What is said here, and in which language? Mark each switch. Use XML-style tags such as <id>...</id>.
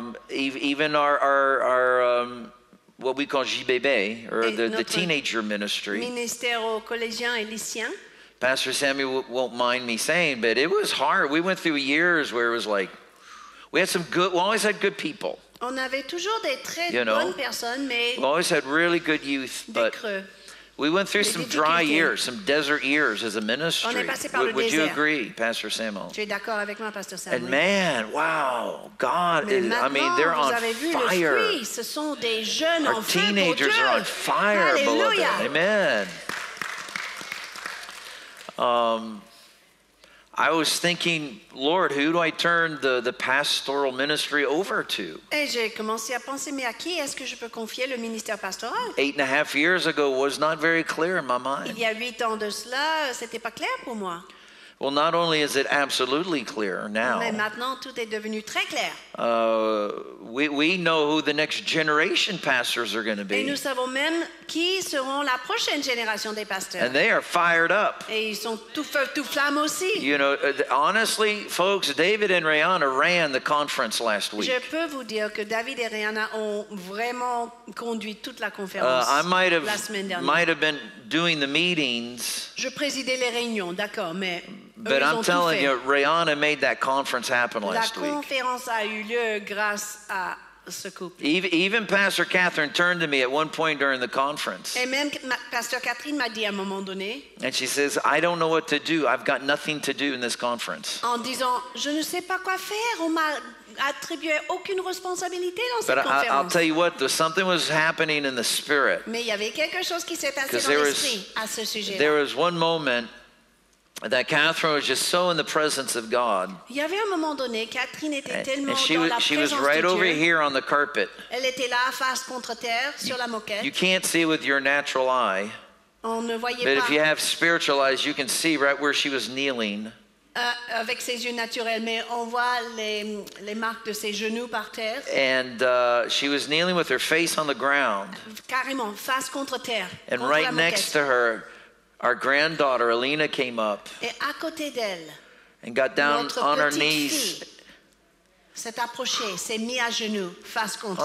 <en>Even our what we call JBB or the teenager ministry.</en> <fr>Ministère aux collégiens et lycéens.</fr> <en>Pastor Sammy won't mind me saying, but it was hard. We went through years where it was like we had some good. We always had good people.</en> <fr>On avait toujours des très bonnes personnes, mais</fr> <en>we always had really good youth, but we went through some dry years, some desert years as a ministry.</en> <fr>On est passé par le désert.</fr> <en>Would you agree, Pastor Samuel?</en> <fr>Tu es d'accord avec moi, Pastor Samuel?</fr> <en>And man, wow, God is, I mean, they're on fire.</en> <fr>Ce sont des jeunes en feu.</fr> <en>Our teenagers are on fire, beloved. Amen. I was thinking, Lord, who do I turn the pastoral ministry over to?</en> <fr>Et j'ai commencé à penser, mais à qui est-ce que je peux confier le ministère pastoral?</fr> <en>8.5 years ago was not very clear in my mind.</en> <fr>Il y a 8 ans de cela, c'était pas clair pour moi.</fr> <en>Well, not only is it absolutely clear now.</en> <fr>Mais maintenant, tout est devenu très clair.</fr> <en>We know who the next generation pastors are going to be.</en> <fr>Et nous savons même qui seront la prochaine génération des pasteurs.</fr> <en>And they are fired up.</en> <fr>Et ils sont tout feu, tout flamme aussi.</fr> <en>You know, honestly, folks, David and Rihanna ran the conference last week.</en> <fr>Je peux vous dire que David et Rihanna ont vraiment conduit toute la conférence la semaine dernière.</fr> <en>I might have been doing the meetings.</en> <fr>Je présidais les réunions, d'accord, mais</fr> <en>but I'm telling you, Rihanna made that conference happen last week.</en> <fr>La conférence a eu lieu grâce à ce couple.</fr> <en>Even Pastor Kathryn turned to me at one point during the conference.</en> <fr>Et même Pastor Kathryn m'a dit à un moment donné.</fr> <en>And she says, "I don't know what to do. I've got nothing to do in this conference."</en> <fr>En disant, je ne sais pas quoi faire. On m'a attribué aucune responsabilité dans</fr> <en>but</en> <fr>cette conférence.</fr> <en>I'll tell you what, something was happening in the spirit.</en> <fr>Mais il y avait quelque chose qui s'est passé dans l'esprit à ce sujet.</fr> <en>There was one moment that Kathryn was just so in the presence of God.</en> <fr>Il y avait un moment donné, Kathryn était tellement dans la présence de Dieu.</fr> <en>She was right over here on the carpet.</en> <fr>Elle était là, face contre terre, sur la moquette.</fr> <en>You can't see with your natural eye.</en> <fr>On ne voyait pas.</fr> <en>But if you have spiritual eyes, you can see right where she was kneeling.</en> <fr>Avec ses yeux naturels, mais on voit les marques de ses genoux par terre.</fr> <en>And she was kneeling with her face on the ground.</en> <fr>Carrément, face contre terre.</fr> <en>And right next to her, our granddaughter Alina came up</en> <fr>et à côté d'elle,</fr> <en>and got down on her knees.</en> <fr>S'est approchée, s'est mise à genoux, face contre</fr>